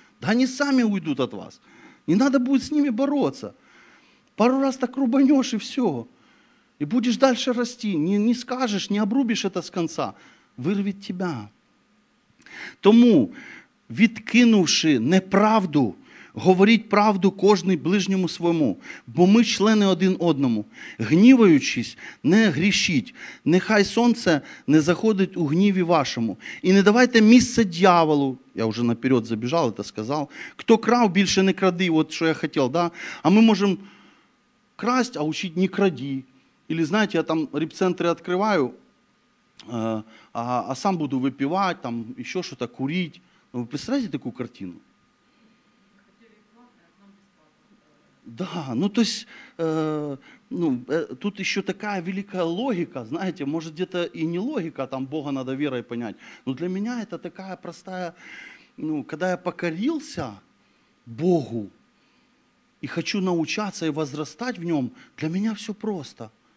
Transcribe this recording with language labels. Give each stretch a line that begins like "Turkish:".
Russian: Да они сами уйдут от вас. Не надо будет с ними бороться. Пару раз так рубанешь, и все. И будешь дальше расти. Не скажешь, не обрубишь это с конца. Вырвет тебя.
Ukrainian: Тому, відкинувши неправду, Говоріть правду кожний ближньому своєму, бо ми члени один одному. Гніваючись, не грішіть. Нехай сонце не заходить у гніві вашому. І не давайте місце дьяволу. Я вже наперед забіжав, та сказав. Хто крав, більше не кради. От що я хотів, да? А ми можемо красть, а учить не краді.
Russian: Или,
Ukrainian: знаєте, я там ріп-центри відкриваю, а сам буду випивати, там, ще щось, курити. Ви представляєте таку картину?
Russian: Да, ну, то есть, ну, тут еще такая великая логика, знаете, может, где-то и не логика, там, Бога надо верой понять, но для меня это такая простая, ну, когда я покорился Богу и хочу научаться и возрастать в нем, для меня все просто.